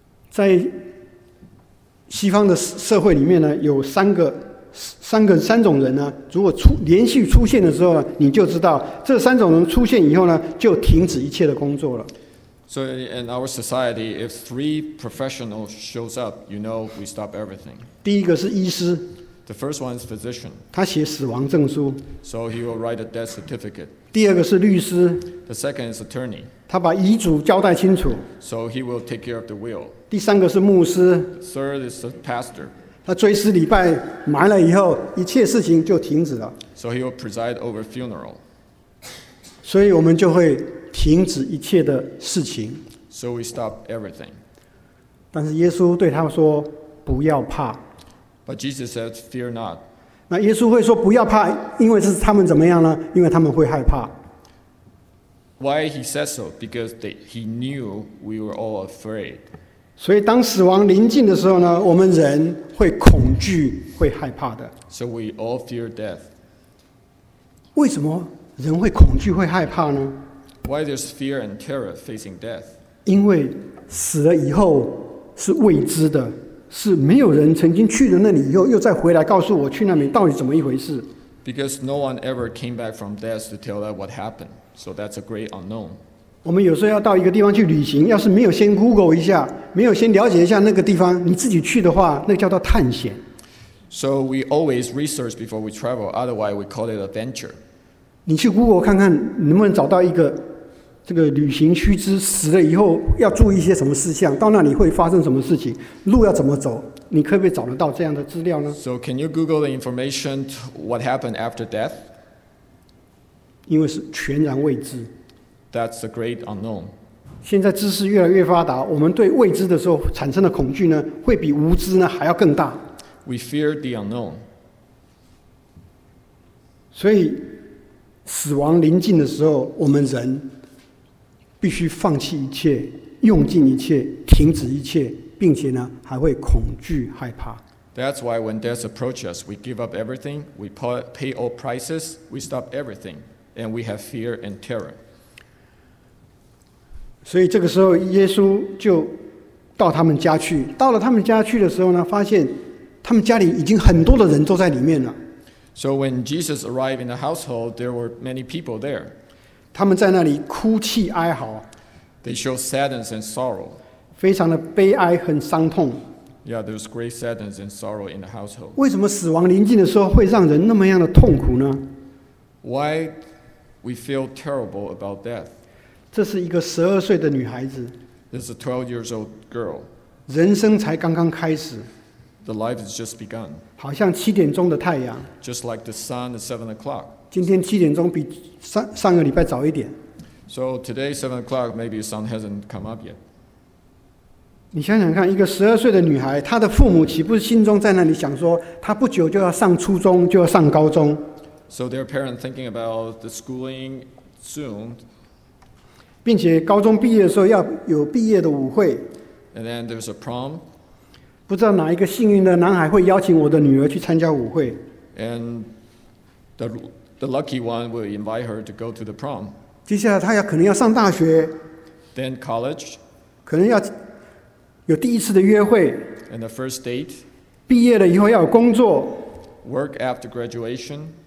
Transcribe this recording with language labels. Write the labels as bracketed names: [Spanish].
[Chinese] 在西方的社会里面呢，有三种人呢，如果连续出现的时候，你就知道这三种人出现以后呢，就停止一切的工作了。 [English] So in our society, if three professionals shows up, you know we stop everything. [Chinese] 第一个是医师。 [English] The first one is physician. [Chinese] 他写死亡证书。 [English] So he will write a death certificate. [Chinese] 第二个是律师。 [English] The second is attorney. [Chinese] 他把遗嘱交代清楚。 [English] So he will take care of the will. [Chinese] 第三个是牧师。 [English] The third is the pastor. [Chinese] 他追思礼拜埋了以后，一切事情就停止了。 [English] So he will preside over funeral. [Chinese] 所以我们就会停止一切的事情。 [English] So we stop everything. [Chinese] 但是耶稣对他说，不要怕。 [English] But Jesus said, "Fear not." [Chinese] 那耶稣会说不要怕，因为是他们怎么样呢？因为他们会害怕。 [English] Why he said so? Because he knew we were all afraid. [Chinese] 所以当死亡临近的时候呢，我们人会恐惧，会害怕的。 [English] So we all fear death. [Chinese] 为什么人会恐惧，会害怕呢？ [English] Why there's fear and terror facing death? [Chinese] 因为死了以后是未知的。是没有人曾经去了那里以后，又再回来告诉我去那里到底怎么一回事。 [English] Because no one ever came back from death to tell us what happened, so that's a great unknown. [Chinese] 我们有时候要到一个地方去旅行，要是没有先 Google 一下，没有先了解一下那个地方，你自己去的话，那叫做探险。 [English] So we always research before we travel, otherwise we call it adventure. [Chinese] 你去 Google 看看，能不能找到一个这个旅行须知，死了以后要注意一些什么事项，到那里会发生什么事情，路要怎么走，你可不可以找得到这样的资料呢？ [English] So can you Google the information what happened after death? [Chinese] 因为是全然未知。 [English] That's a great unknown. [Chinese] 现在知识越来越发达，我们对未知的时候产生的恐惧呢，会比无知呢还要更大。 [English] We fear the unknown. [Chinese] 所以死亡临近的时候，我们人必须放弃一切，用尽一切，停止一切，并且呢，还会恐惧害怕。 [English] That's why when death approaches, we give up everything, we pay all prices, we stop everything, and we have fear and terror. [Chinese] 所以这个时候，耶稣就到他们家去。到了他们家去的时候呢，发现他们家里已经很多的人都在里面了。 [English] So when Jesus arrived in the household, there were many people there. [Chinese] 他们在那里哭泣哀嚎。 [English] They show sadness and sorrow. [Chinese] 非常的悲哀，很伤痛。 [English] Yeah, there's great sadness and sorrow in the household. [Chinese] 为什么死亡临近的时候会让人那么样的痛苦呢？ [English] Why we feel terrible about death? [Chinese] 这是一个十二岁的女孩子。 [English] This is a 12 years old girl. [Chinese] 人生才刚刚开始。 [English] The life has just begun. [Chinese] 好像七点钟的太阳。 [English] Just like the sun at 7 o'clock. [Chinese] 今天七点钟比 上个礼拜早一点。 [English] So today 7 o'clock, maybe the sun hasn't come up yet. [Chinese] 你想想看，一个十二岁的女孩，她的父母岂不是心中在那里想说，她不久就要上初中，就要上高中 [English] ？So their parents thinking about the schooling soon. [Chinese] 并且高中毕业的时候要有毕业的舞会。 [English] And then there's a prom. [Chinese] 不知道哪一个幸运的男孩会邀请我的女儿去参加舞会。 [English] And the lucky one will invite her to go to the prom. [Chinese] 接下来她可能要上大学。 [English] Then college. [Chinese] 可能要有第一次的约会。 [English] And the first date. [Chinese] 毕业了以后要有工作。 [English] Work after graduation.